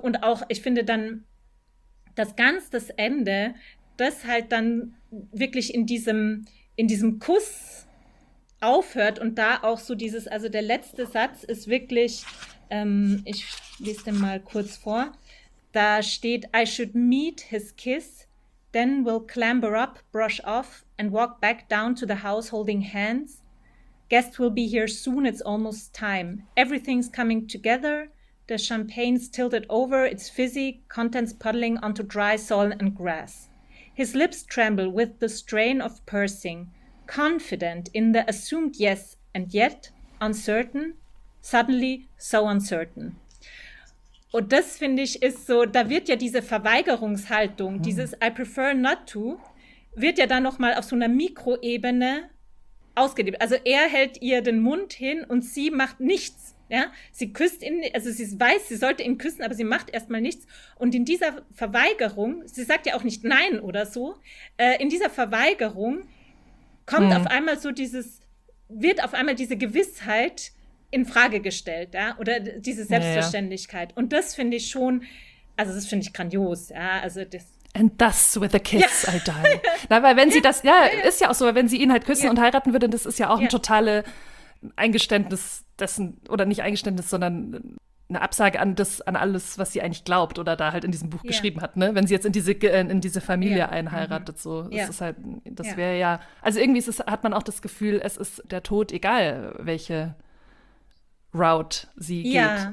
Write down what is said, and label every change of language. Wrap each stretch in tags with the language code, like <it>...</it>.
<de>Und auch, ich finde dann, dass ganz das Ende, das halt dann wirklich in diesem Kuss aufhört und da auch so dieses, also der letzte Satz ist wirklich, ich lese den mal kurz vor, da steht,</de> <en>I should meet his kiss, then we'll clamber up, brush off and walk back down to the house holding hands. Guest will be here soon, it's almost time. Everything's coming together. The champagne's tilted over, its fizzy contents puddling onto dry soil and grass. His lips tremble with the strain of pursing, confident in the assumed yes and yet uncertain, suddenly so uncertain.</en> <de>Und das, finde ich, ist so, da wird ja diese Verweigerungshaltung, dieses</de> <en>I prefer not to,</en> <de>wird ja dann nochmal auf so einer Mikroebene ausgelebt. Also er hält ihr den Mund hin und sie macht nichts. Ja, sie küsst ihn, also sie weiß, sie sollte ihn küssen, aber sie macht erstmal nichts. Und in dieser Verweigerung, sie sagt ja auch nicht nein oder so, in dieser Verweigerung kommt auf einmal so dieses, wird auf einmal diese Gewissheit in Frage gestellt, ja, oder diese Selbstverständlichkeit. Ja, ja. Und das finde ich schon, also das finde ich grandios, ja, also das.</de> <en>And thus with a kiss I die.</en> <de>Na, weil wenn sie ist ja auch so, weil wenn sie ihn halt küssen und heiraten würde, das ist ja auch ein totale Eingeständnis dessen, oder nicht Eingeständnis, sondern eine Absage an das, an alles, was sie eigentlich glaubt oder da halt in diesem Buch geschrieben hat, ne? Wenn sie jetzt in diese Familie einheiratet, so. Das ist halt, das wäre ja, also irgendwie hat man auch das Gefühl, es ist der Tod, egal welche Route sie geht.</de>